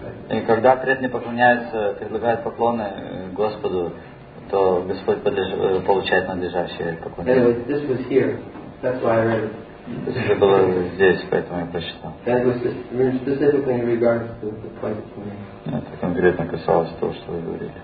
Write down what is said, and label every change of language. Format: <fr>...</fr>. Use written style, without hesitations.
<ru>И когда преданный поклоняется, предлагает поклоны Господу, то Господь получает надлежащее поклонение.</ru> <en>This was here. That's why I read it.</en> <ru>This же было здесь, поэтому я прочитал.</ru> <en>That was specifically in regards to the point of me.</en> <ru>Это конкретно касалось того, что вы говорили.</ru>